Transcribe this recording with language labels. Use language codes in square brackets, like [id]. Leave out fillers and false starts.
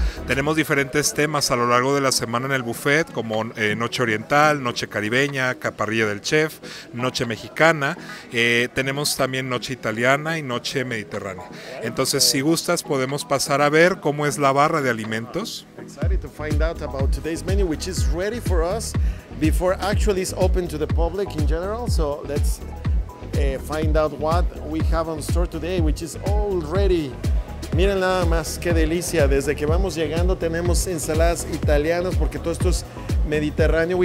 [es] Tenemos diferentes temas a lo largo de la semana en el buffet, como Noche Oriental, Noche Caribeña, Caparrilla del Chef, Noche Mexicana. Tenemos también Noche Italiana y Noche Mediterránea. Entonces, si gustas, podemos pasar a ver cómo es la barra de alimentos. [en] Excited to find out about today's menu, which is ready for us before actually it's open to the public in general. So let's find out what we have on store today, which is already. [es] Miren nada más qué delicia. Desde que vamos llegando tenemos ensaladas italianas porque todo esto es mediterráneo.